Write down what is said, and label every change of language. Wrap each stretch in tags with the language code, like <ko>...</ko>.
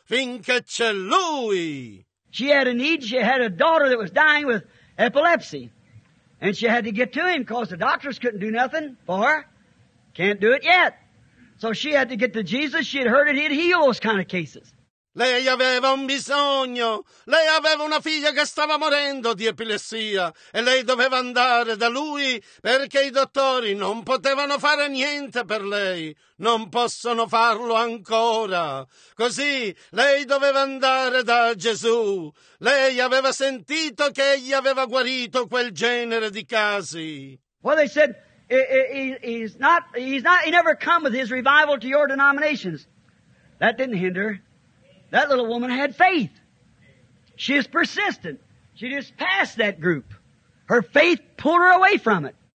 <it>Finché c'è lui.</it> <en>She had a need. She had a daughter that was dying with epilepsy. And she had to get to him because the doctors couldn't do nothing for her. Can't do it yet. So she had to get to Jesus. She had heard that he'd heal those kind of cases.</en> <it>Lei aveva un bisogno, lei aveva una figlia che stava morendo di epilessia e lei doveva andare da lui perché i dottori non potevano fare niente per lei, non possono farlo ancora. Così lei doveva andare da Gesù, lei aveva sentito che egli aveva guarito quel genere di casi.</it> <en>Well, they said, he never come with his revival to your denominations. That didn't hinder. That little woman had faith. She is persistent. She just passed that group. Her faith pulled her away from it.</en>